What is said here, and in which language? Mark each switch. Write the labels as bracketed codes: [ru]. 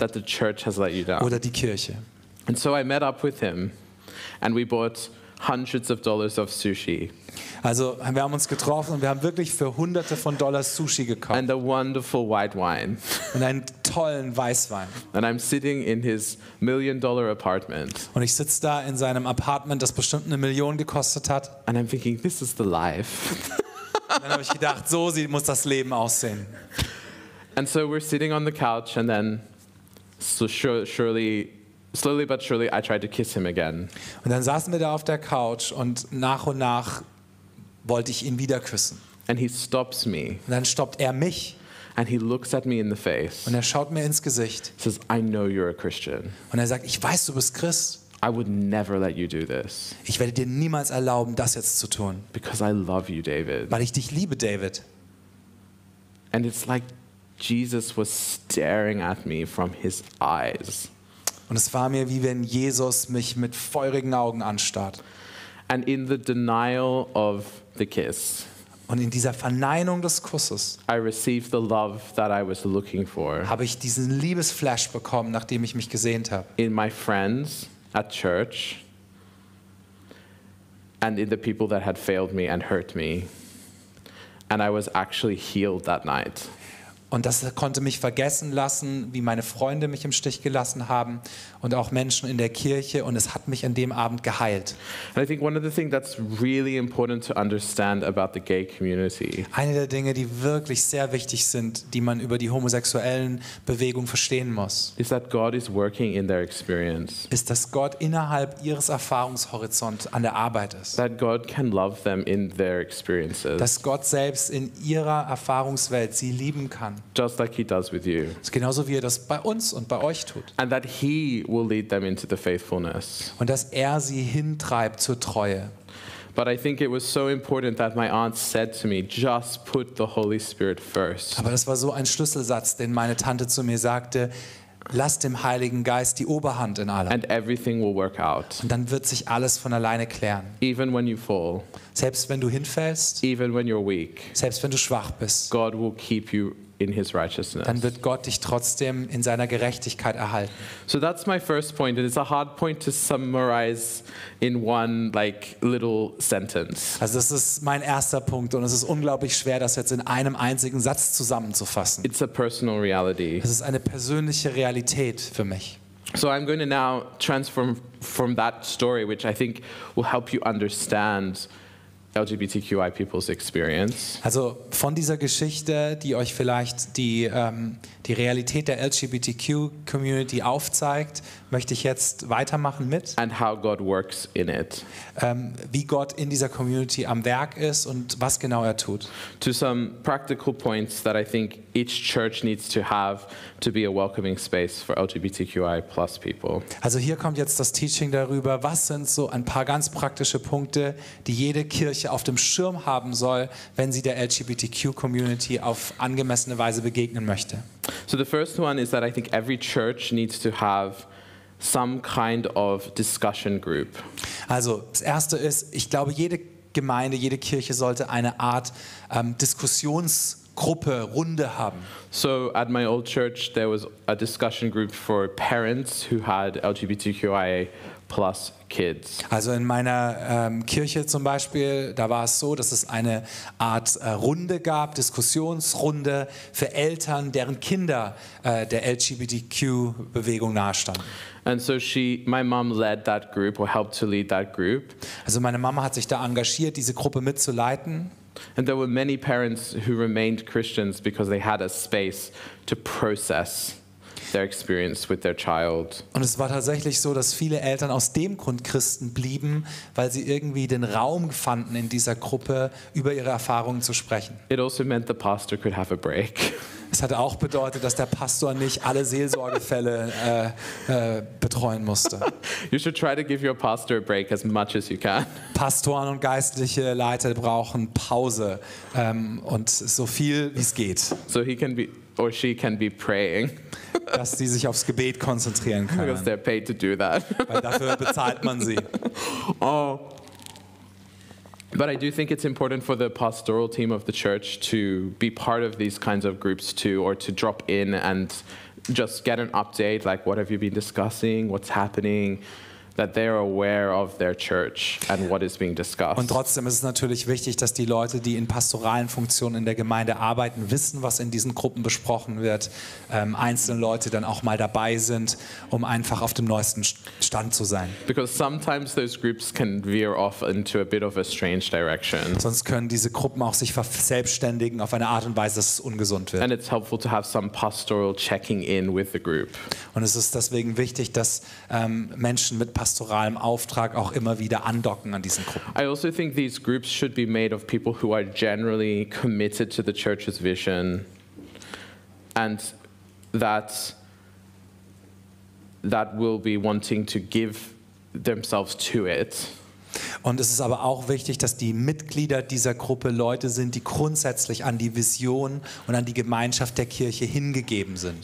[en] That the church has let you down. [de] Oder die Kirche. [en] And so I met up with him and we bought hundreds of dollars of sushi. [de] Also, wir haben uns getroffen und wir haben wirklich für hunderte von Dollars Sushi gekauft. [en] And a wonderful white wine. [de] Und einen tollen Weißwein. [en] And I'm sitting in his million-dollar apartment. [de] Und ich sitze da in seinem Apartment, das bestimmt eine Million gekostet hat. [en] And I'm thinking, this is the life. [de] Und dann habe ich gedacht, so muss das Leben aussehen. [en] And so we're sitting on the couch and then slowly but surely I tried to kiss him again. [de] Und dann saßen wir da auf der Couch und nach wollte ich ihn wieder küssen. [en] And he stops me. [de] Und dann stoppt er mich. [en] And he looks at me in the face. [de] Und er schaut mir ins Gesicht. [en] He says, I know you're a Christian. [de] Und er sagt, ich weiß, du bist Christ. [en] I would never let you do this. [de] Ich werde dir niemals erlauben, das jetzt zu tun. [en] Because I love you, David. [de] Weil ich dich liebe, David. [en] And it's like Jesus was staring at me from his eyes. [de] Und es war mir, wie wenn Jesus mich mit feurigen Augen anstarrt. [en] And in the denial of the kiss, [de] und in dieser Verneinung des Kusses, [en] I received the love that I was looking for. [de] Habe ich diesen Liebesflash bekommen, nachdem ich mich gesehnt habe. [en] In my friends at church, and in the people that had failed me and hurt me, and I was actually healed that night. [de] Und das konnte mich vergessen lassen, wie meine Freunde mich im Stich gelassen haben und auch Menschen in der Kirche. Und es hat mich an dem Abend geheilt. [en] And I think one of the things that's really important to understand about the gay community. [de] Eine der Dinge, die wirklich sehr wichtig sind, die man über die homosexuellen Bewegung verstehen muss, [en] is that God is working in their experience. [de] Ist, dass Gott innerhalb ihres Erfahrungshorizonts an der Arbeit ist. [en] That God can love them in their experiences. [de] Dass Gott selbst in ihrer Erfahrungswelt sie lieben kann. [en] Just like he does with you. [de] Genauso wie er das bei uns und bei euch tut. [en] And that he will lead them into the faithfulness. [de] Und dass er sie hintreibt zur Treue. [en] But I think it was so important that my aunt said to me, just put the Holy Spirit first. [de] Aber das war so ein Schlüsselsatz, den meine Tante zu mir sagte, Lass dem Heiligen Geist die Oberhand in allem. [en] And everything will work out. [de] Und dann wird sich alles von alleine klären. [en] Even when you fall. [de] Selbst wenn du hinfällst. [en] Even when you're weak. [de] Selbst wenn du schwach bist. [en] God will keep you in his righteousness. [de] Dann wird Gott dich trotzdem in seiner Gerechtigkeit erhalten. [en] So that's my first point, and it's a hard point to summarize in one like little sentence. [de] Also das ist mein erster Punkt, und es ist unglaublich schwer, das jetzt in einem einzigen Satz zusammenzufassen. [en] It's a personal reality. [de] Es ist eine persönliche Realität für mich. [en] So I'm going to now transform from that story, which I think will help you understand LGBTQI people's experience. [de] Also von dieser Geschichte, die euch vielleicht die die Realität der LGBTQ Community aufzeigt, möchte ich jetzt weitermachen mit. [en] And how God works in it. [de] Wie Gott in dieser Community am Werk ist und was genau er tut. [en] To some practical points that I think each church needs to have to be a welcoming space for LGBTQI plus people. [de] Also hier kommt jetzt das Teaching darüber, was sind so ein paar ganz praktische Punkte, die jede Kirche auf dem Schirm haben soll, wenn sie der LGBTQ Community auf angemessene Weise begegnen möchte. [en] So the first one is that I think every church needs to have some kind of discussion group. [de] Also, das erste ist, ich glaube, jede Gemeinde, jede Kirche sollte eine Art Diskussionsgruppe, Runde haben. [en] So at my old church there was a discussion group for parents who had LGBTQIA plus kids. [de] Also in meiner Kirche zum Beispiel, da war es so, dass es eine Art Runde gab, Diskussionsrunde für Eltern, deren Kinder der LGBTQ-Bewegung nahestanden. [en] And so my mom led that group or helped to lead that group. [de] Also meine Mama hat sich da engagiert, diese Gruppe mitzuleiten. [en] And there were many parents who remained Christians because they had a space to process their experience with their child. [de] Und es war tatsächlich so, dass viele Eltern aus dem Grund Christen blieben, weil sie irgendwie den Raum fanden in dieser Gruppe, über ihre Erfahrungen zu sprechen. [en] It also meant the pastor could have a break. [de] Es hat auch bedeutet, dass der Pastor nicht alle Seelsorgefälle betreuen musste. [en] You should try to give your pastor a break as much as you can. [de] Pastoren und geistliche Leiter brauchen Pause und so viel wie es geht. [en] So he can be or she can be praying. [de] Dass sie sich aufs Gebet konzentrieren können. [en] Because they're paid to do that. [de] Weil dafür bezahlt man sie. Oh. [en] But I do think it's important for the pastoral team of the church to be part of these kinds of groups too, or to drop in and just get an update, like what have you been discussing, what's happening, that they're aware of their church and what is being discussed. [de] Und trotzdem ist es natürlich wichtig, dass die Leute, die in pastoralen Funktionen in der Gemeinde arbeiten, wissen, was in diesen Gruppen besprochen wird, einzelne Leute dann auch mal dabei sind, um einfach auf dem neuesten Stand zu sein. [en] Because sometimes those groups can veer off into a bit of a strange direction. [de] Sonst können diese Gruppen auch sich verselbstständigen auf eine Art und Weise, dass es ungesund wird. [en] And it's helpful to have some pastoral checking in with the group. [de] Und es ist deswegen wichtig, dass Menschen mit pastoralem Auftrag auch immer wieder andocken an diesen Gruppen. [en] I also think these groups should be made of people who are generally committed to the church's vision and that will be wanting to give themselves to it. [de] Und es ist aber auch wichtig, dass die Mitglieder dieser Gruppe Leute sind, die grundsätzlich an die Vision und an die Gemeinschaft der Kirche hingegeben sind.